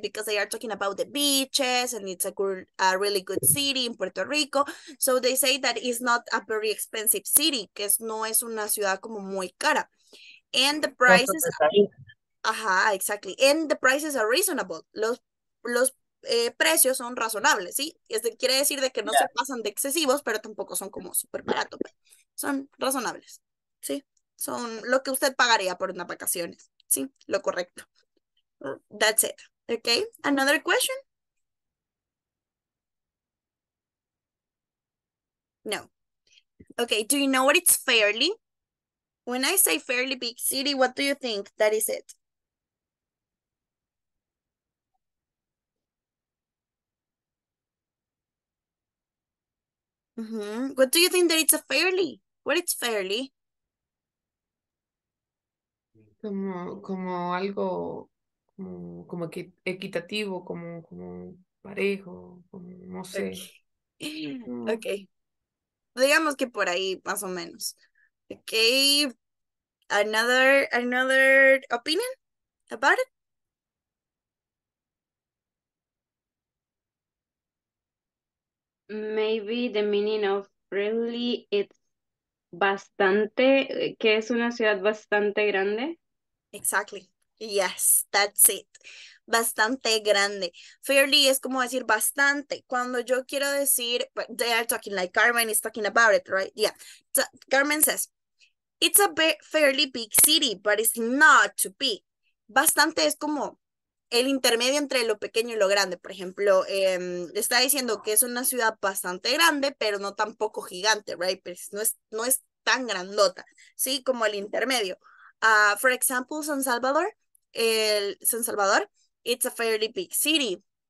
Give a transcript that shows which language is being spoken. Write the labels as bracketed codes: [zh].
[en] Because they are talking about the beaches and it's a really good city in Puerto Rico. So they say that it's not a very expensive city, [es] que no es una ciudad como muy cara. [en] And the prices, exactly. And the prices are reasonable. [es] Los precios son razonables, ¿sí? Quiere decir de que no se pasan de excesivos, pero tampoco son como súper baratos. Son razonables, ¿sí? Son lo que usted pagaría por unas vacaciones, ¿sí? Lo correcto. [en] That's it. Okay, another question? No. Okay, do you know what it's fairly? When I say fairly big city, what do you think that is it? What do you think that it's a fairly? What it's fairly? [es] Como algo como equitativo, como parejo, como no sé. [en] Okay. No. [es] Okay. Digamos que por ahí, más o menos. Okay. [en] Another opinion about it? Maybe the meaning of friendly it's bastante, [es] que es una ciudad bastante grande. [en] Exactly. Yes, that's it. [es] Bastante grande. Fairly es como decir bastante. Cuando yo quiero decir, [en] they are talking like Carmen is talking about it, right? Yeah. So, Carmen says, it's a be fairly big city, but it's not too big. [es] Bastante es como el intermedio entre lo pequeño y lo grande. Por ejemplo, está diciendo que es una ciudad bastante grande, pero no tampoco gigante, [en] right? [es] Pero no es tan grandota, ¿sí? Como el intermedio. [en] For example, San Salvador, San Salvador, it's a fairly big city.